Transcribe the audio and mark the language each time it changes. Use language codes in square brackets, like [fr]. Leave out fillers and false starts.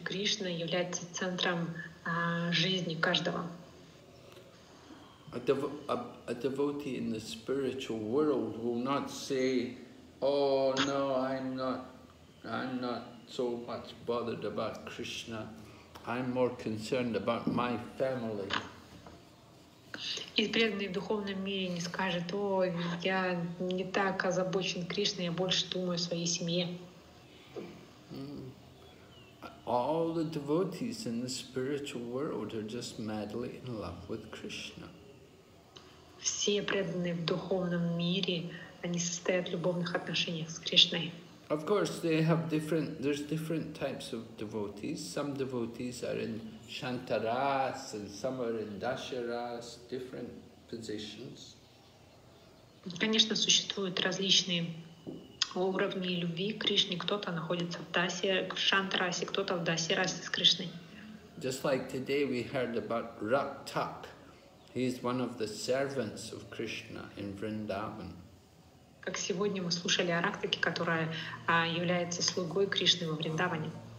[ru] Кришна является центром жизни каждого. [en] A devotee in the spiritual world will not say, "Oh no, I'm not so much bothered about Krishna. I'm more concerned about my family." [ru] И преданный в духовном мире не скажет: «О, я не так озабочен Кришной, я больше думаю о своей семье». [en] All the devotees in the spiritual world are just madly in love with Krishna. [ru] Все преданные в духовном мире, они состоят в любовных отношениях с Кришной. [en] Of course, they have different. There's different types of devotees. Some devotees are in Shantaras, and some are in Dasharas. Different positions. [ru] Конечно, существуют различные уровни любви к Кришне. Кто-то находится в Даси, в Шантарасе, кто-то в Дасирасе с Кришной. [en] Just like today, we heard about Raktak. He is one of the servants of Krishna in Vrindavan. [ru] Как сегодня мы слушали о Рактаке, которая является слугой Кришны во Вриндаване.